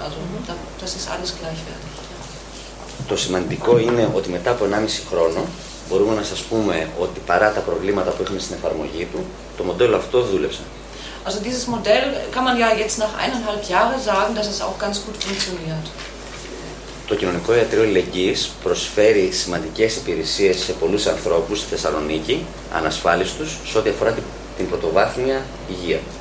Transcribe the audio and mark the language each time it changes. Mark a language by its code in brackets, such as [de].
[de] Also das ist alles gleichwertig. [el] Το σημαντικό είναι ότι μετά από 1,5 χρόνο μπορούμε να σας πούμε ότι παρά τα προβλήματα που έχουμε στην εφαρμογή του, το μοντέλο αυτό δούλεψε. [de] Also dieses Modell kann man ja jetzt nach 1,5 Jahren sagen, dass es auch ganz gut funktioniert. [el] Το κοινωνικό ιατρείο αλληλεγγύης προσφέρει σημαντικές υπηρεσίες σε πολλούς ανθρώπους στη Θεσσαλονίκη, ανασφάλιστους, σε ό,τι αφορά την πρωτοβάθμια υγεία.